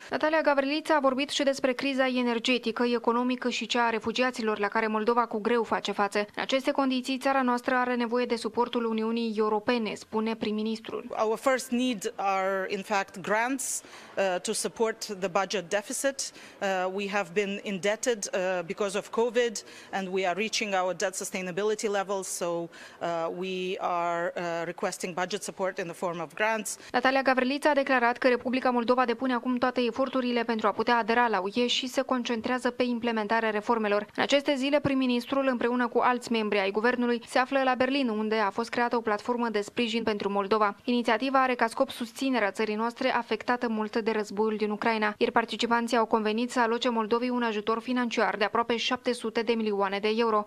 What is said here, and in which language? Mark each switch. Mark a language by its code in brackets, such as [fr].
[ro] Natalia Gavriliță a vorbit și despre criza energetică, economică și cea a refugiaților la care Moldova cu greu face față. În aceste condiții, țara noastră are nevoie de suportul Uniunii Europene, spune prim-ministrul. [en] Our first need are in fact grants to support the budget deficit. We have been indebted because of COVID and we are reaching our debt sustainability levels, so we are requesting budget support in the form of grants. [ro] Natalia Gavriliță a declarat că Republica Moldova depune acum toate eforturile pentru a putea adera la UE și se concentrează pe implementarea reformelor. În aceste zile, prim-ministrul, împreună cu alți membri ai guvernului, se află la Berlin, unde a fost creată o platformă de sprijin pentru Moldova. Inițiativa are ca scop susținerea țării noastre afectată mult de războiul din Ucraina, iar participanții au convenit să aloce Moldovei un ajutor financiar de aproape 700 de milioane de euro.